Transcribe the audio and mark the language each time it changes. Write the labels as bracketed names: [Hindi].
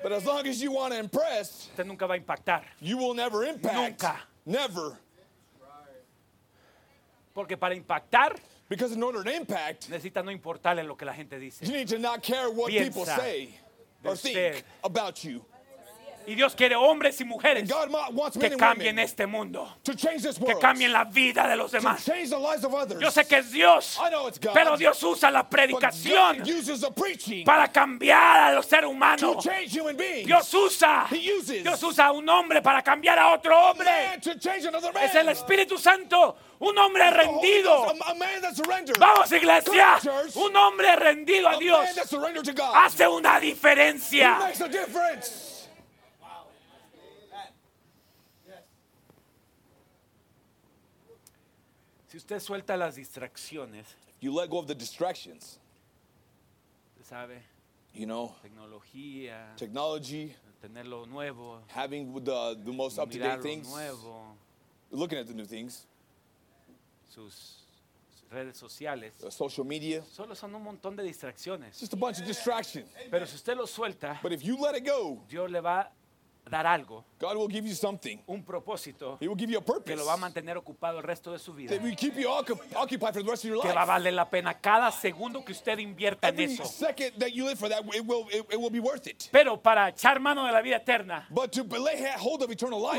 [English] but as long as you want to impress, [Spanish] usted nunca va a impactar. [English] You will never impact. [Spanish] Nunca. [English] Never. [Spanish] Porque para impactar, [English] because in order to impact, [Spanish] necesita no importarle lo que la gente dice. [English] You need to not care what people say or think about you. [Spanish] Y Dios quiere hombres y mujeres que cambien este mundo, que cambien la vida de los demás. Yo sé que es Dios, pero Dios usa la predicación para cambiar a los seres humanos. Dios usa un hombre para cambiar a otro hombre. Es el Espíritu Santo. Un hombre rendido. Vamos, iglesia. Un hombre rendido a Dios hace una diferencia. Si usted suelta las distracciones, [English] you let go of the distractions, [Spanish] sabe, [English] you know, [Spanish] tecnología, [English] technology, [Spanish] tener lo nuevo, [English] having the most up to date things, [Spanish] nuevo, [English] looking at the new things, [Spanish] sus redes sociales, [English] social media, [Spanish] solo son un montón de distracciones, [English] just a bunch of distractions. [Spanish] Pero si usted lo suelta, [English] but if you let it go, [Spanish] Dios le va dar algo, [English] God will give you something. [Spanish] Un propósito. [English] He will give you a purpose. [Spanish] Que lo va a mantener ocupado el resto de su vida. [English] That will keep you occupied for the rest of your life. [Spanish] Que va a valer la pena cada segundo que usted invierta [English] every [Spanish] en eso. [English] Every second that you live for that, it will be worth it. [Spanish] Pero para echar mano de la vida eterna, [English] but to lay hold of eternal life,